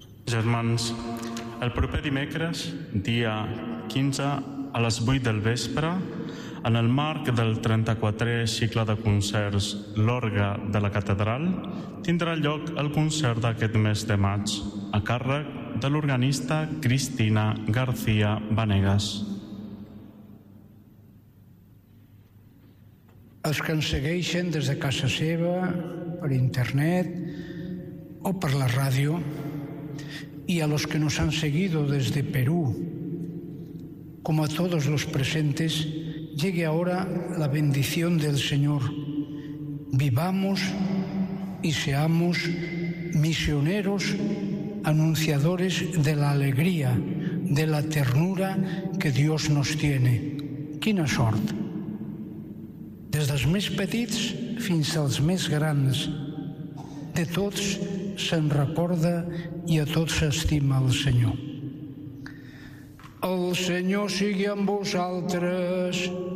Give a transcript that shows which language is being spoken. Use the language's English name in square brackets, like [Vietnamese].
[Catalan] Germans, el proper dimecres, dia 15, a les 8 del vespre, en el marc del 34è cicle de concerts L'Orgue de la Catedral, tindrà lloc el concert d'aquest mes de maig, a càrrec de l'organista Cristina García Vanegas. Els que ens segueixen des de casa seva, per internet o per la ràdio, [Spanish] y a los que nos han seguido desde Perú, como a todos los presentes, llegue ahora la bendición del Señor. Vivamos y seamos misioneros, anunciadores de la alegría, de la ternura que Dios nos tiene. [Catalan] Quina sort! Des dels més petits fins als més grans, de tots se'n recorda i a tots s'estima el Senyor. El Senyor sigui amb vosaltres.